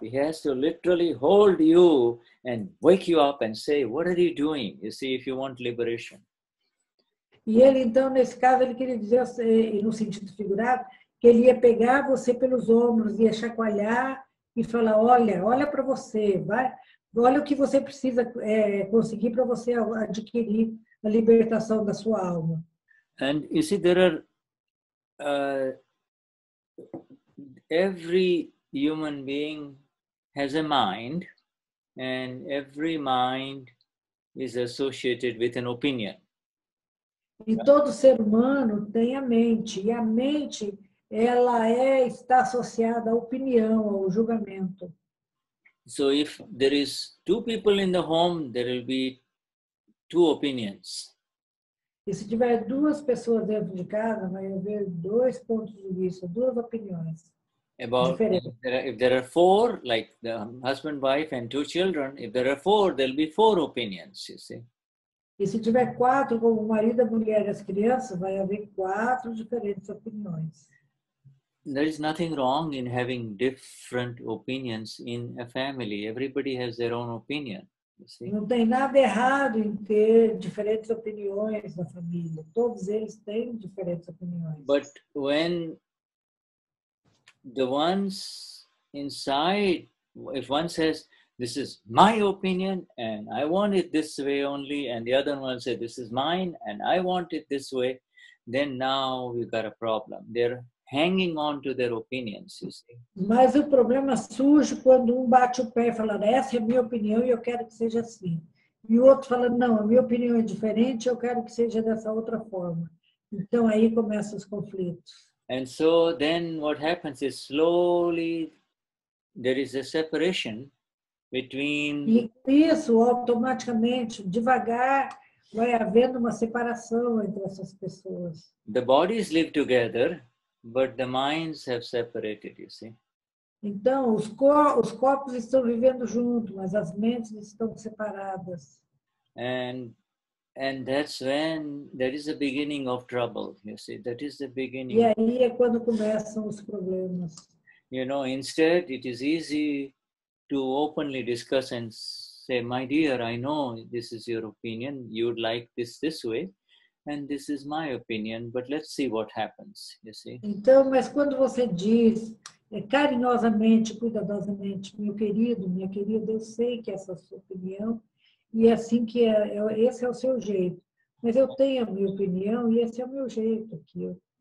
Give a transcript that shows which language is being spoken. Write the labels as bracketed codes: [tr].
[en] He has to literally hold you and wake you up and say, what are you doing? You see, if you want liberation. [pt] E ele, então, nesse caso, ele queria dizer, no sentido figurado, que ele ia pegar você pelos ombros, ia chacoalhar e falar, olha para você, vai... Olha o que você precisa conseguir para você adquirir a libertação da sua alma. [en] And you see, there are every human being has a mind, and every mind is associated with an opinion. [pt] E todo ser humano tem a mente, e a mente ela está associada à opinião, ao julgamento. [en] So if there is two people in the home, there will be two opinions. [pt] E se tiver duas pessoas dentro de casa, vai haver dois pontos de vista, duas opiniões. [en] If there are four, like the husband, wife and two children, if there are four, there will be four opinions, you see. [pt] E se tiver quatro, como marido, a mulher e as crianças, vai haver quatro diferentes opiniões. [en] There is nothing wrong in having different opinions in a family. Everybody has their own opinion. [pt] Não tem nada errado em ter diferentes opiniões na família. Todos eles têm diferentes opiniões. [en] But when the ones inside, if one says, this is my opinion and I want it this way only, and the other one says, this is mine and I want it this way, then now we've got a problem. They're hanging on to their opinions, you see. [pt] Mas o problema surge quando bate o pé e fala, essa é a minha opinião e eu quero que seja assim. E o outro fala, não, a minha opinião é diferente, eu quero que seja dessa outra forma. Então aí começam os conflitos. [en] And so then what happens is slowly there is a separation between... [pt] E isso automaticamente, devagar, vai havendo uma separação entre essas pessoas. [en] The bodies live together, but the minds have separated, you see. [pt] Então, os corpos estão vivendo junto, mas as mentes estão separadas. [en] And that's when there is a beginning of trouble, you see, that is the beginning. [pt] E aí é quando começam os problemas. [en] You know, instead it is easy to openly discuss and say, my dear, I know this is your opinion, you would like this this way, and this is my opinion, but let's see what happens, you see. [pt] Então, mas quando você diz carinhosamente, cuidadosamente, meu querido, minha querida, eu sei que essa é a sua opinião, e assim que é, esse é o seu jeito. Mas eu tenho a minha opinião e esse é o meu jeito aqui.